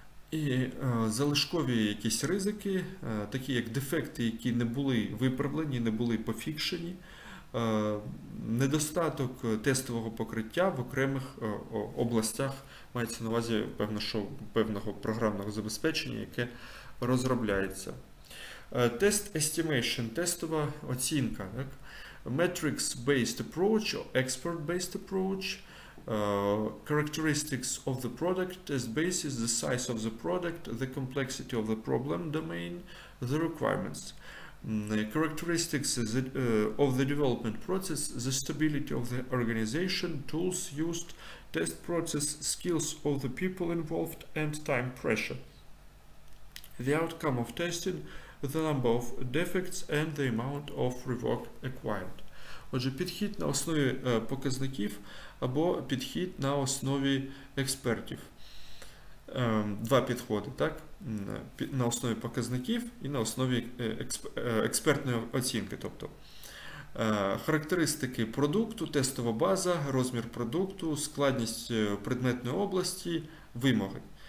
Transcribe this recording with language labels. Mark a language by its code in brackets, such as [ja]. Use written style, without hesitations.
[uk] І залишкові якісь ризики, такі як дефекти, які не були виправлені, не були пофікшені, недостаток тестового покриття в окремих областях, мається на увазі певного програмного забезпечення, яке розробляється. Тест estimation, тестова оцінка, так? [en] Metrics-based approach, expert-based approach, characteristics of the product, test basis, the size of the product, the complexity of the problem domain, the requirements. Characteristics of the development process, the stability of the organization, tools used, test process, skills of the people involved, and time pressure. The outcome of testing, the number of defects, and the amount of rework acquired. [uk] Отже, підхід на основі показників або підхід на основі експертів. Два підходи, так? На основі показників і на основі експертної оцінки. Тобто характеристики продукту, тестова база, розмір продукту, складність предметної області, вимоги.